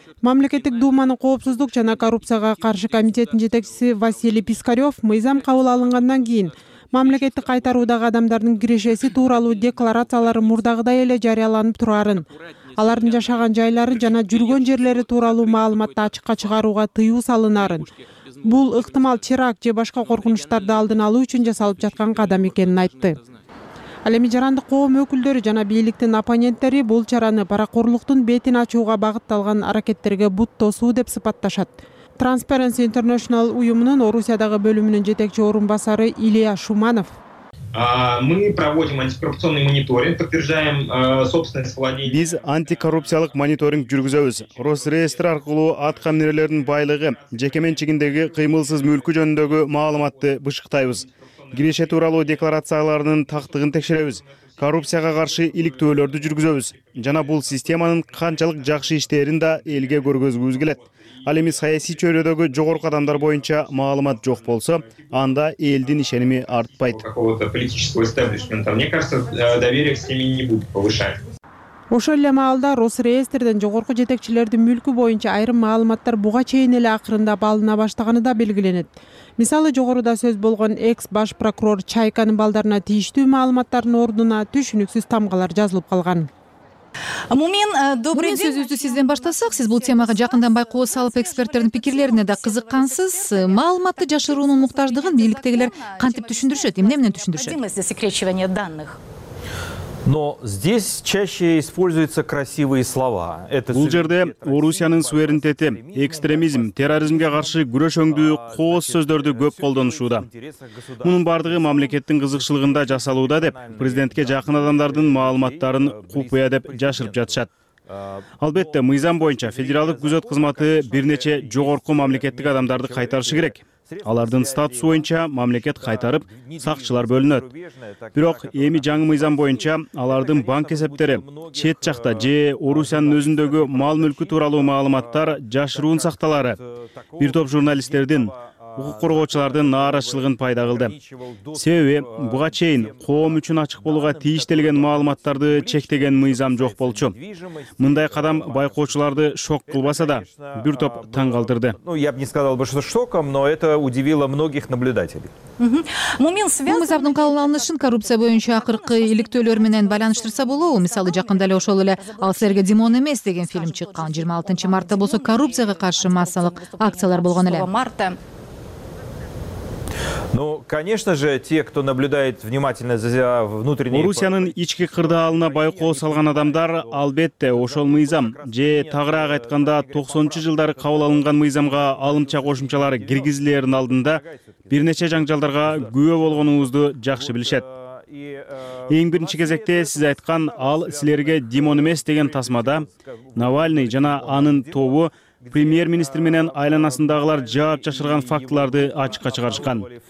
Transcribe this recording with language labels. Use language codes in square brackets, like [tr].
[ky] Мамлекеттик думанын коопсуздук жана коррупцияга каршы комитетинин жетекчиси Василий Пискарев мыйзам кабыл алынгандан кийин мамлекетти кайтаруудагы адамдардын кирешеси тууралуу декларациялары мурдагыдай эле жарыяланып турарын, алардын жашаган жайлары жана жүргөн жерлери тууралуу маалыматты ачыкка чыгарууга тыюу салынарын, бул ыктымал терак же башка коркунучтарды алдын алуу үчүн жасалып жаткан кадам экенин айтты. Ал эми жарандык коом өкүлдөрү жана бийликтин оппоненттери бул чараны паракорлуктун бетин ачууга багытталган аракеттерге бут тосуу деп сыпатташат. Transparency International уюмунун Орусиядагы бөлүмүнүн жетекчи орун басары Илья Шуманов. [ru] Мы проводим антикоррупционный мониторинг, подтверждаем собственность владения. [ky] Биз антикоррупциялык мониторинг жүргүзөбүз. Росреестр аркылуу аткаминерлердин байлыгы, жеке менчигиндеги кыймылсыз мүлкү жөнүндөгү маалыматты бышыктайбыз. Киреше тууралуу декларацияларынын тактыгын текшеребиз. Коррупцияга каршы иликтөөлөрдү жүргүзөбүз. Жана бул системанын канчалык жакшы иштерин да элге көргөзгүбүз келет. Ал эми саясий чөйрөдөгү жогорку адамдар боюнча маалымат жок болсо, анда элдин ишеними артпайт. [ru] Какого-то политического эстаблишмента, мне кажется, доверие к системе не будет повышать. [ky] Ошол эле маалда Росреестрден жогорку жетекчилердин мүлкү боюнча айрым маалыматтар буга чейин эле акырындап алына баштаганы да белгиленет. Мисалы, жогоруда сөз болгон экс баш прокурор Чайканын балдарына тийиштүү маалыматтардын ордуна түшүнүксүз тамгалар жазылып калган. [ru] Мумин, добрый день. [ky] Сөзүбүздү сизден баштасак, сиз бул темага жакындан байкоо салып эксперттердин пикирлерине да кызыккансыз. Маалыматты жашыруунун муктаждыгын бийликтегилер кантип түшүндүрүшөт? Эмне менен түшүндүрүшөт? [ru] Засекречивание данных. Но здесь чаще используются красивые слова. [ky] Бул жерде Орусиянын суверенитети, экстремизм, терроризмге каршы күрөш өңдүү кооз сөздөрдү көп колдонушууда. Мунун бардыгы мамлекеттин кызыкчылыгында жасалууда деп, президентке жакын адамдардын маалыматтарын купуя деп жашырып жатышат. Албетте, мыйзам боюнча федералдык күзөт кызматы бир нече жогорку мамлекеттик адамдарды кайтарышы керек. Алардын статусу боюнча мамлекет кайтарып, сакчылар бөлүнөт. Бирок эми жаңы мыйзам боюнча алардын банк эсептери, чет жакта же Орусиянын өзүндөгү мал мүлкү тууралуу маалыматтар жашыруун сакталары, бир топ журналисттердин, укук коргоочулардын нааразычылыгын пайда кылды. Себеби буга чейин коом үчүн ачык болууга тийиштелген маалыматтарды чектеген мыйзам жок болчу. Мындай кадам байкоочуларды шок кылбаса да, бир топ таң калтырды. [ru] Ну, я бы не сказал бы, что шоком, но это удивило многих наблюдателей. [ky] Мыйзамдын кабылданышын коррупция боюнча акыркы иликтөөлөр менен байланыштырса болобу? Мисалы, жакында эле ошол эле Ал серге Димон эмес деген фильм чыккан. 26 мартта болсо коррупцияга каршы массалык акциялар болгон эле. [ru] Ну, конечно же, те, кто наблюдает внимательно за внутренней... [ky] Орусиянын ички кырдаалына байкоо салган адамдар, албетте, ошол мыйзам, же тагыраак айтканда 90-чы жылдары кабыл алынган мыйзамга алымча кошумчалар киргизилердин алдында бир нече жаңжалдарга күйөө болгонуңузду жакшы билишет. Эң биринчи кезекте сиз айткан ал силерге Димон эмес деген тасмада Навальный жана анын тобу премьер-министр менен айланасындагылар жаап жашырган фактыларды ачыкка чыгарышкан.